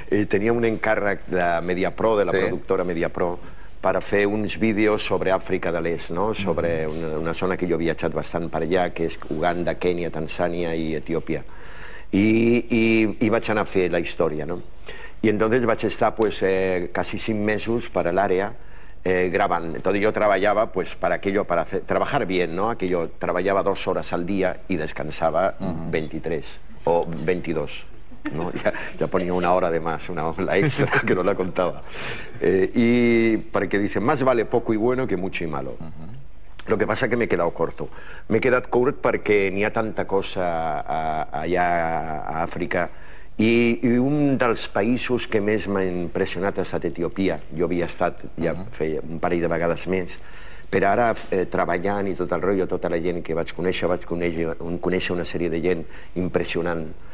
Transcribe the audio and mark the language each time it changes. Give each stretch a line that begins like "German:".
Catalan: Tenia un encàrrec de Mediapro, de la, sí, productora Mediapro, per fer uns vídeos sobre Àfrica de l'Est, no? Sobre una zona que jo he viatjat bastant per allà, que és Uganda, Kènia, Tanzània i Etiòpia. I vaig anar a fer la història, no? I entonces vaig estar, pues, quasi 5 mesos per a l'àrea, gravant.
Spanish: Entonces yo trabajaba, pues, para aquello, para hacer, trabajar bien, ¿no? Aquello, trabajaba 2 horas al día y descansaba 23 o 22. No, ja ponia una hora de más, una hora extra, que no la contaba. Y porque dice, más vale poco y bueno que mucho y malo. Lo que pasa que
Catalan: m'he quedat curt. M'he quedat curt perquè n'hi ha tanta cosa allà a Àfrica. I un dels països que més m'ha impressionat ha estat Etiòpia. Jo havia estat ja feia un parell de vegades més. Però ara, treballant i tot el rotllo, tota la gent que vaig conèixer una sèrie de gent impressionant.